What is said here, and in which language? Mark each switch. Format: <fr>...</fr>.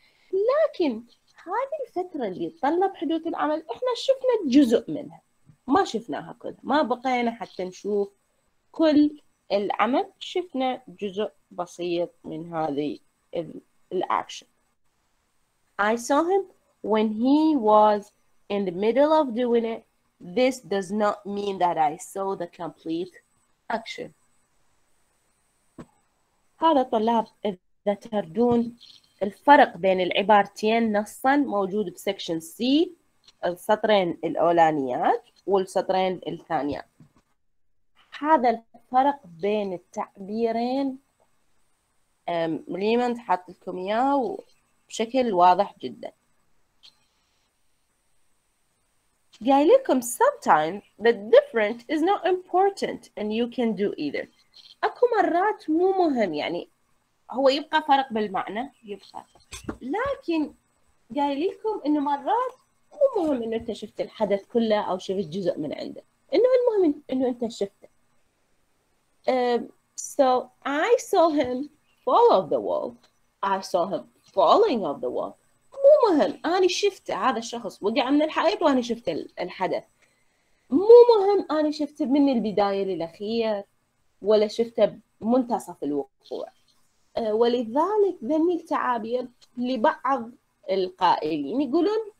<ar>لكن هذه الفترة اللي تطلب حدوث العمل إحنا شفنا جزء منها، ما شفناها كلها، ما بقينا حتى نشوف كل العمل، شفنا جزء بسيط من هذه الأكشن.</ar> <en>I saw him when he was in the middle of doing it. This does not mean that I saw the complete action.</en> <ar>هذا طلاب إذا تردون الفرق بين العبارتين نصا موجود بسكشن سي، السطرين الأولانيات والسطرين الثانيات. هذا الفرق بين التعبيرين ريموند حاط لكم اياه بشكل واضح جدا. قال لكم</ar> <en>sometimes the different is not important and you can do either.</en> <ar>اكو مرات مو مهم، يعني هو يبقى فرق بالمعنى يبقى، لكن قال لكم انه مرات مو مهم انه انت شفت الحدث كله او شفت جزء من عنده، انه المهم انه انت شفته.</ar> <en>So I saw him fall off the wall. I saw him falling off the wall.</en> <ar>مو مهم أنا شفته هذا الشخص وقع من الحائط وأنا شفت الحدث. مو مهم أنا شفته من البداية للأخير ولا شفته منتصف الوقوع. ولذلك ذني التعابير لبعض القائلين يقولون</ar>